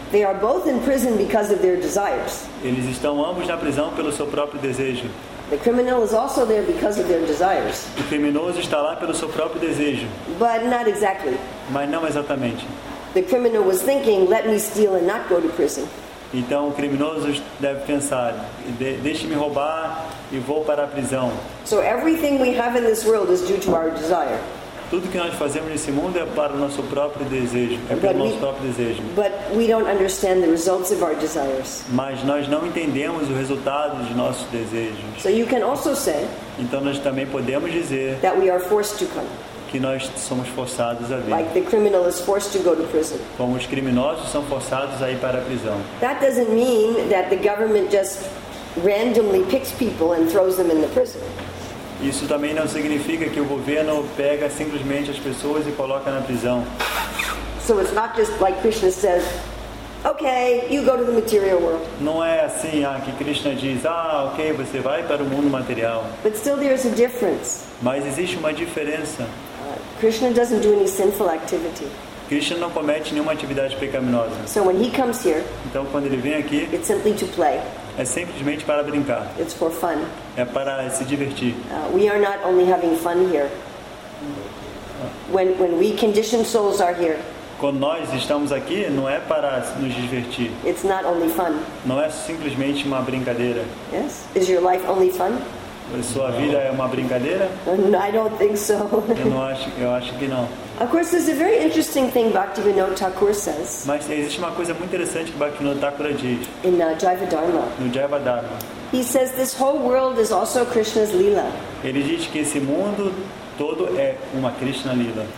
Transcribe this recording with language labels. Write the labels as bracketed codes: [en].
[en] They are both in prison because of their desires. [pt] Eles estão ambos na prisão pelo seu próprio desejo. [en] The criminal is also there because of their desires. [pt] O criminoso está lá pelo seu próprio desejo. [en] But not exactly. [pt] Mas não exatamente. [en] The criminal was thinking, let me steal and not go to prison. [pt] Então o criminoso deve pensar, deixe-me roubar e vou para a prisão. [en] So everything we have in this world is due to our desire. [pt] Tudo que nós fazemos nesse mundo é para o nosso próprio desejo. É pelo nosso próprio desejo. [en] But we don't understand the results of our desires. [pt] Mas nós não entendemos o resultado dos nossos desejos. [en] So you can also say. [pt] Então nós também podemos dizer. [en] That we are forced to come. [pt] Que nós somos forçados a vir. [en] Like the criminal is forced to go to prison. [pt] Como os criminosos são forçados a ir para a prisão. [en] That doesn't mean that the government just randomly picks people and throws them in the prison. [pt] Isso também não significa que o governo pega simplesmente as pessoas e coloca na prisão. [en] So it's not just like Krishna says, okay, you go to the material world. [pt] Não é assim que Krishna diz, ok, você vai para o mundo material. [en] But still there is a difference. [pt] Mas existe uma diferença. [en] Krishna doesn't do any sinful activity. [pt] Krishna não comete nenhuma atividade pecaminosa. [en] So when he comes here, [pt] então quando ele vem aqui, [en] it's simply to play. [pt] É simplesmente para brincar. [en] It's for fun. [pt] É para se divertir. [en] We are not only having fun here. When we conditioned souls are here. [pt] Quando nós estamos aqui, não é para nos divertir. [en] It's not only fun. [pt] Não é simplesmente uma brincadeira. [en] Yes? Is your life only fun? [pt] Sua vida é uma brincadeira? [en] I don't think so. [pt] Eu acho que não. [en] Of course, there's a very interesting thing Bhaktivinoda Thakur says. [pt] Mas existe uma coisa muito interessante que Bhaktivinoda Thakur diz. [en] In Jiva Dharma. [pt] No Jiva Dharma. [en] He says this whole world is also Krishna's lila. [pt] Ele diz que esse mundo todo é uma Krishna lila.